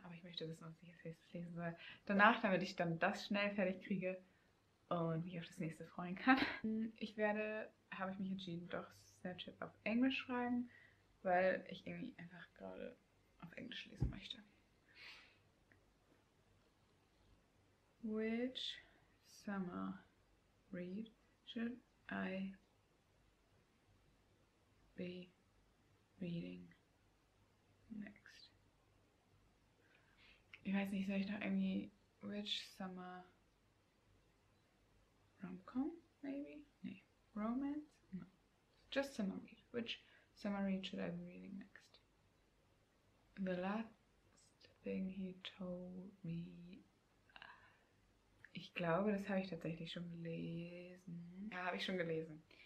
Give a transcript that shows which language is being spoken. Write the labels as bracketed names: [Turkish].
[German] Aber ich möchte wissen, was ich als nächstes lesen soll. Danach, damit ich dann das schnell fertig kriege. Und mich auf das nächste freuen kann. Habe ich mich entschieden, doch Snapchat auf Englisch schreiben, weil ich irgendwie einfach gerade auf Englisch lesen möchte. [English] Which summer read should I be reading next? [German] Ich weiß nicht, soll ich noch irgendwie [English] which summer Rom-Com, maybe? [German] Nee. [English] Romance? No. Just summer read. Which Summer Reed, should I be reading next? The last thing he told me. [German] Ich glaube, das habe ich tatsächlich schon gelesen. Ja, habe ich schon gelesen.